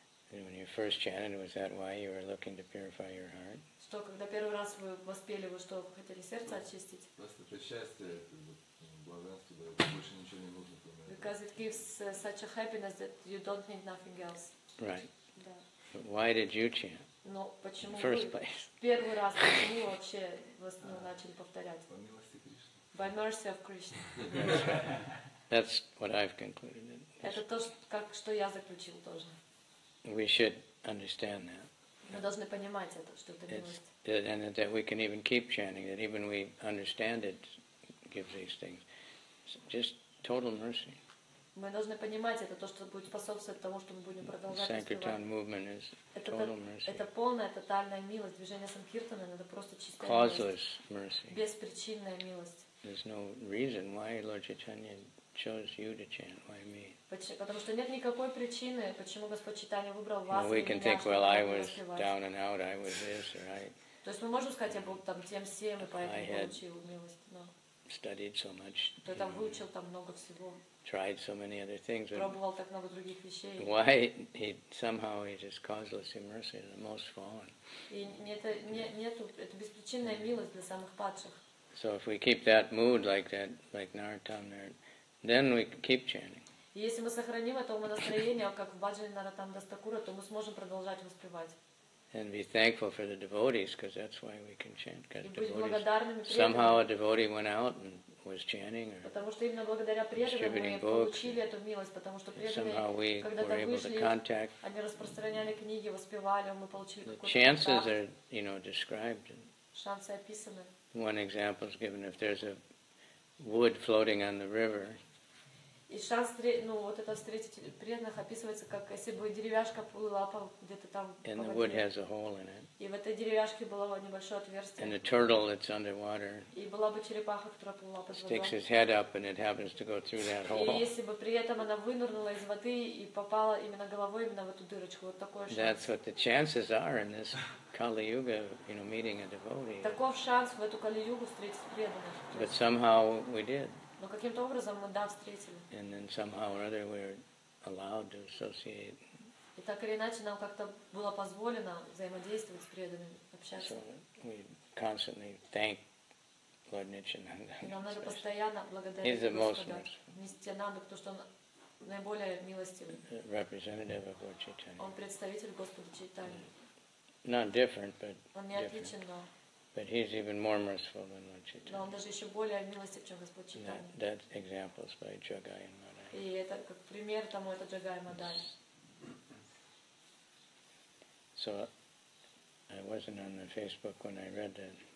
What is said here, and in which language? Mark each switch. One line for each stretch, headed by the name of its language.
English: When you first chanted, was that why you were looking to purify your heart?
Russian: Что когда первый раз вы воспели, вы что хотели сердце очистить? Просто причастие, благодарность, больше ничего не нужно.
English: Because it gives such a happiness that you don't need nothing else. Right.
Russian: Да.
English: Why did you chant?
Russian: Но почему?
English: First place.
Russian: Первый раз почему вообще вас начали повторять?
English: By mercy of Krishna. That's what I've concluded.
Russian: Это то, что я заключил тоже.
English: We should understand that.
Russian: Мы должны понимать это, что это милость.
English: And that we can even keep chanting, that even we understand it, give these things. Just total mercy.
Russian: Мы должны понимать это, то, что будет способствовать тому, что мы будем продолжать.
English: Sankirtan movement is total mercy.
Russian: Это полная, тотальная милость. Движение Санкиртана это просто чистая милость.
English: Causeless mercy.
Russian: Беспричинная милость.
English: There's no reason why Lord Chaitanya chose you to chant, why me?
Russian: Потому что нет никакой причины, почему Господь Чайтанья выбрал вас.
English: We can think, well, I was down and out, I was this, right?
Russian: То есть мы можем сказать, я был там тем всем, и поэтому получил милость. Но
English: studied so much.
Russian: Ты там выучил там много всего.
English: Tried so many other things.
Russian: Пробовал так много других вещей.
English: Why he somehow he just causelessly mercy to the most fallen?
Russian: И это беспричинная милость для самых падших.
English: So if we keep that mood like that, like Narottam, then we keep chanting.
Russian: Если мы сохраним это настроение, как в баджане Нараттам Дастакура, то мы сможем продолжать воспевать.
English: And be thankful for the devotees, because that's why we can chant.
Russian: И быть благодарными преданным.
English: Somehow a devotee went out and was chanting.
Russian: Потому что именно благодаря преданным мы получили эту милость, потому что преданные, когда-то вышли, они распространяли книги, воспевали, мы получили какой-то контакт.
English: The chances are, you know, described.
Russian: Шансы описаны.
English: One example is given if there's a wood floating on the river.
Russian: И шанс, ну вот это встретить преданных описывается как если бы деревяшка плыла по где-то там.
English: And the wood has a hole in it.
Russian: И в этой деревяшке было небольшое отверстие.
English: And a turtle that's underwater.
Russian: И была бы черепаха, которая плыла под водой.
English: Sticks his head up and it happens to go through that hole.
Russian: И если бы при этом она вынырнула из воды и попала именно головой именно в эту дырочку, вот такой шанс.
English: That's what the chances are in this Kali Yuga, you know, meeting a devotee.
Russian: Таков шанс в эту Кали Югу встретить преданных.
English: But somehow we did.
Russian: Но каким-то образом мы да встретили.
English: And then somehow or other we're allowed to associate.
Russian: И так или иначе нам как-то было позволено взаимодействовать с преданными, общаться.
English: So we constantly thank Lord Nityananda.
Russian: Нам надо постоянно благодарить Господа Нитьянанду, потому что он наиболее милостивый.
English: Representative of Lord Chaitanya.
Russian: Он представитель Господа Чайтаньи.
English: Not different, but
Russian: он не отличен, но.
English: But he's even more merciful than Lord Chaitanya.
Russian: Но он даже еще более милостив, чем Господь Чайтанья.
English: That example is by Джагай Мадай.
Russian: И это как пример тому, это Джагай Мадай.
English: So I wasn't on the Facebook when I read that.